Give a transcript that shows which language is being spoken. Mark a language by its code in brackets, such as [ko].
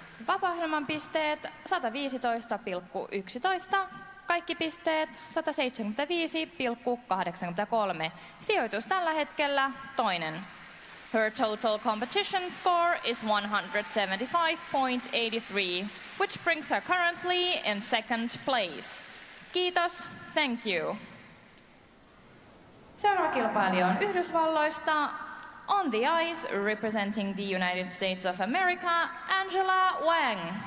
[fi] Vapaa-ohjelman pisteet 115,11. Kaikki pisteet 175,83. Sijoitus tällä hetkellä toinen. [en] Her total competition score is 175,83, which brings her currently in second place. [fi] Kiitos, [en] thank you. [fi] Seuraava kilpailija on Yhdysvalloista. [en] On the ice, representing the United States of America, Angela Wang.